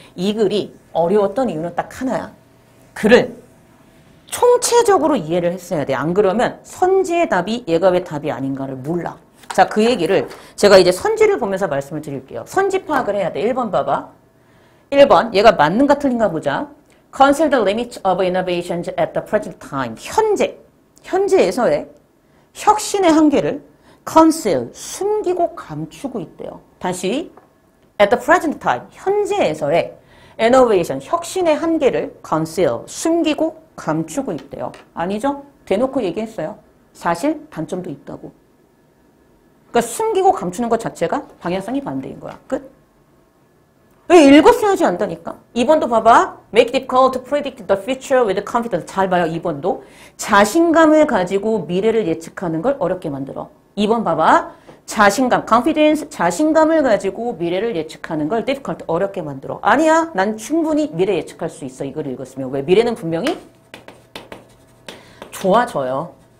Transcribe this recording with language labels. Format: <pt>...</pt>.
<ko>이 글이 어려웠던 이유는 딱 하나야. 글을 총체적으로 이해를 했어야 돼. 안 그러면 선지의 답이 얘가 왜 답이 아닌가를 몰라. 자, 그 얘기를 제가 이제 선지를 보면서 말씀을 드릴게요. 선지 파악을 해야 돼. 1번 봐봐. 1번, 얘가 맞는가 틀린가 보자.</ko> <en>Consider the limits of innovations at the present time.</en> <ko>현재, 현재에서의 혁신의 한계를 conceal, 숨기고 감추고 있대요. 다시, at the present time, 현재에서의 innovation, 혁신의 한계를 conceal, 숨기고 감추고 있대요. 아니죠? 대놓고 얘기했어요. 사실 단점도 있다고. 그러니까 숨기고 감추는 것 자체가 방향성이 반대인 거야. 끝. 왜 읽었어야지 안다니까? 2번도 봐봐.</ko> <en>Make difficult to predict the future with confidence.</en> <ko>잘 봐요, 2번도. 자신감을 가지고 미래를 예측하는 걸 어렵게 만들어. 2번 봐봐. 자신감, confidence, 자신감을 가지고 미래를 예측하는 걸 difficult, 어렵게 만들어. 아니야, 난 충분히 미래 예측할 수 있어, 이걸 읽었으면. 왜? 미래는 분명히 좋아져요.</ko>